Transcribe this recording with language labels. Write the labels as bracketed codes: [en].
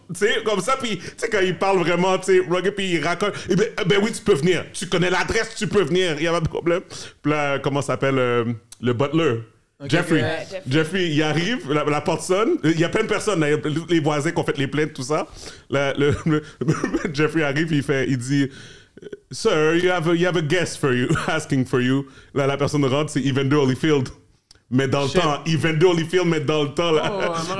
[fr] Tu sais, comme ça, puis, tu sais, quand il parle vraiment, tu sais, rugged, puis il raconte, et ben oui, tu peux venir, tu connais l'adresse, tu peux venir, il n'y a pas de problème. Puis là, comment s'appelle le butler? Okay, Jeffrey. Jeffrey, il arrive, la porte sonne, il y a plein de personnes, là, les voisins qui ont fait les plaintes, tout ça. [en] Là, Jeffrey arrive, il dit, sir, you have a guest for you, asking for you. [fr] Là, la personne rentre, c'est Evander Holyfield. Mais dans le temps, Evander Holyfield, mais dans le temps, là.